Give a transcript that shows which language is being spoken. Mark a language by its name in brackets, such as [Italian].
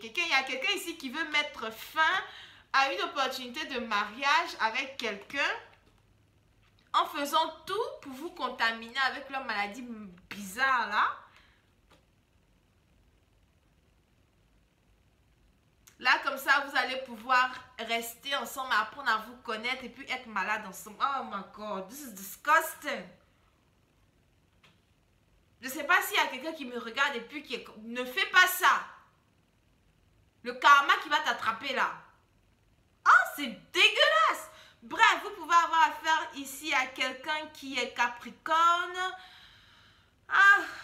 [French] Il y a quelqu'un ici qui veut mettre fin à une opportunité de mariage avec quelqu'un en faisant tout pour vous contaminer avec leur maladie bizarre là. Là, comme ça, vous allez pouvoir rester ensemble, apprendre à vous connaître et puis être malade ensemble. [English] Oh my God, this is disgusting. [French] Je ne sais pas s'il y a quelqu'un qui me regarde et puis qui est... Ne fais pas ça. Le karma qui va t'attraper là. Oh, c'est dégueulasse. Bref, vous pouvez avoir affaire ici à quelqu'un qui est Capricorne. Ah.